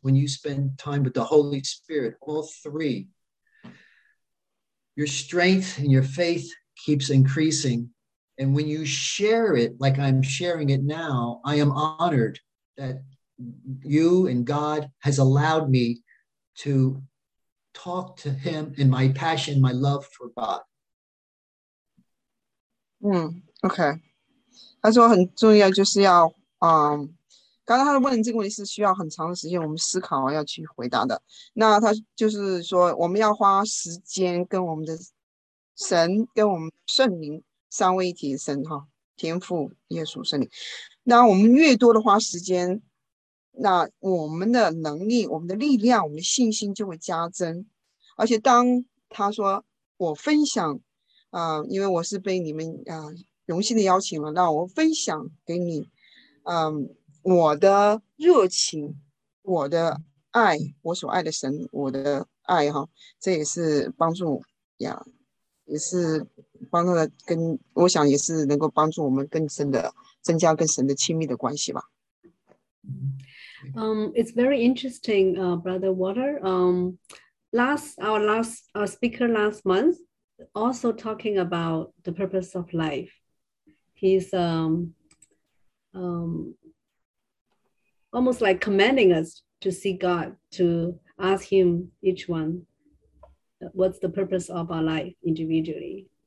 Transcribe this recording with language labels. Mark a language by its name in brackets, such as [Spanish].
[English] When you spend time with the Holy Spirit, all three, your strength and your faith keeps increasing. And when you share it, like I'm sharing it now, I am honored that you and God has allowed me to talk to him in my passion, my love for God. [Chinese] OK, 他说很重要，就是要刚才他问这个问题是需要很长的时间，我们思考要去回答的。那他就是说，我们要花时间跟我们的神、跟我们圣灵三位一体的神哈，天父、耶稣、圣灵。那我们越多的花时间，那我们的能力、我们的力量、我们的信心就会加增。而且当他说我分享，因为我是被你们荣幸的邀请了，让我分享给你，我的热情，我的爱，我所爱的神，我的爱哈，这也是帮助呀，也是帮助的跟，我想也是能够帮助我们更深的增加跟神的亲密的关系吧。 [English] It's very interesting, Brother Water. Our speaker last month also talking about the purpose of life. He's almost like commanding us to seek God, to ask him, each one, what's the purpose of our life individually.